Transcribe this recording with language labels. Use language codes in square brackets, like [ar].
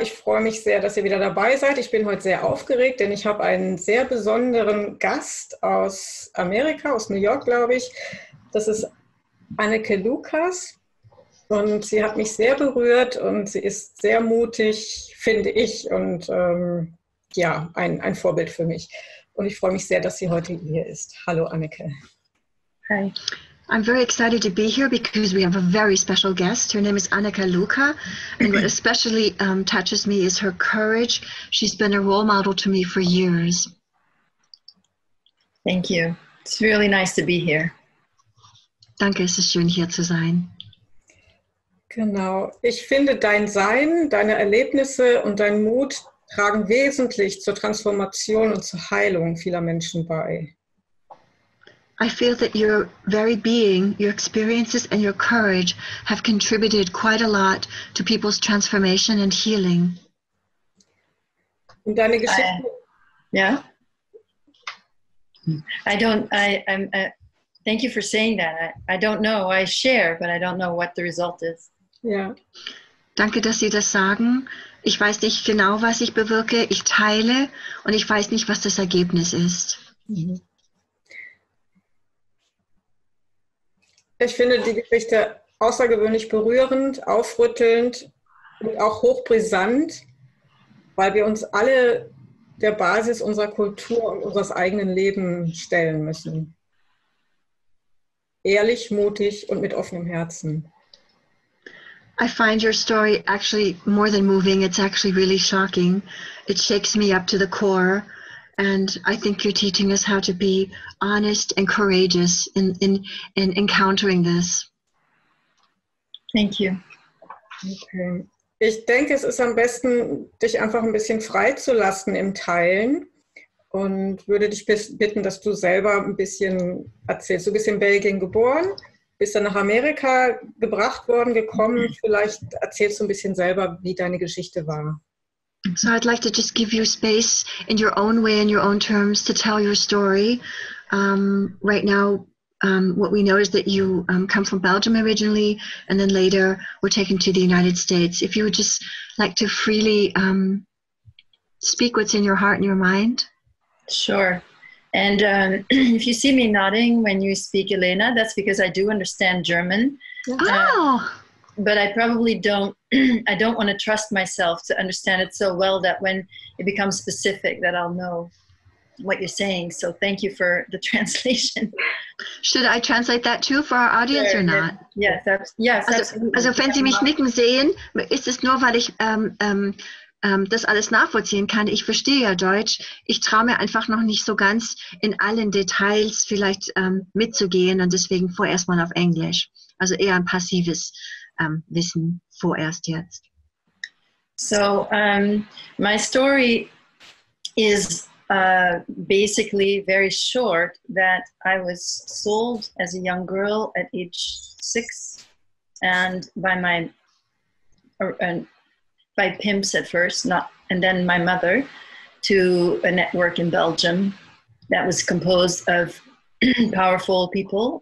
[de] Ich freue mich sehr, dass ihr wieder dabei seid. Ich bin heute sehr aufgeregt, denn ich habe einen sehr besonderen Gast aus Amerika, aus New York, glaube ich. Das ist Anneke Lukas. Und sie hat mich sehr berührt und sie ist sehr mutig, finde ich, und ein Vorbild für mich. Und ich freue mich sehr, dass sie heute hier ist. Hallo, Anneke. [en] Hi. I'm very excited to be here because we have a very special guest. Her name is Anneke Luca, and what especially touches me is her courage. She's been a role model to me for years. Thank you. It's really nice to be here. [de] Danke, es ist schön, hier zu sein. Genau. Ich finde, dein Sein, deine Erlebnisse und dein Mut tragen wesentlich zur Transformation und zur Heilung vieler Menschen bei. [en] I feel that your very being, your experiences and your courage have contributed quite a lot to people's transformation and healing. [de] Und deine Geschichte? [en] Thank you for saying that. I don't know. I share, but I don't know what the result is. [de] Ja. Danke, dass Sie das sagen. Ich weiß nicht genau, was ich bewirke. Ich teile und ich weiß nicht, was das Ergebnis ist. Ich finde die Geschichte außergewöhnlich berührend, aufrüttelnd und auch hochbrisant, weil wir uns alle der Basis unserer Kultur und unseres eigenen Lebens stellen müssen. Ehrlich, mutig und mit offenem Herzen. [en] I find your story actually more than moving. It's actually really shocking. It shakes me up to the core. And I think you're teaching us how to be honest and courageous in encountering this. Thank you. Okay. [de] Ich denke, es ist am besten, dich einfach ein bisschen freizulassen im Teilen. Und würde dich bitten, dass du selber ein bisschen erzählst. Du bist in Belgien geboren. Bist du nach Amerika gebracht worden, gekommen? Vielleicht erzählst du ein bisschen selber, wie deine Geschichte war. [en] So I'd like to just give you space in your own way, in your own terms, to tell your story. Right now, what we know is that you come from Belgium originally and then later were taken to the United States. If you would just like to freely speak what's in your heart and your mind. Sure. And if you see me nodding when you speak, Elena, that's because I do understand German. Oh. But I probably don't, I don't want to trust myself to understand it so well that when it becomes specific that I'll know what you're saying. So thank you for the translation. Should I translate that too for our audience or not? Yes, absolutely. [de] Also wenn Sie mich nicken sehen, ist es nur, weil ich... das alles nachvollziehen kann. Ich verstehe ja Deutsch. Ich traue mir einfach noch nicht so ganz in allen Details vielleicht mitzugehen und deswegen vorerst mal auf Englisch. Also eher ein passives Wissen vorerst jetzt. [en] So, my story is basically very short that I was sold as a young girl at age 6 and by pimps at first, and then my mother, to a network in Belgium that was composed of powerful people.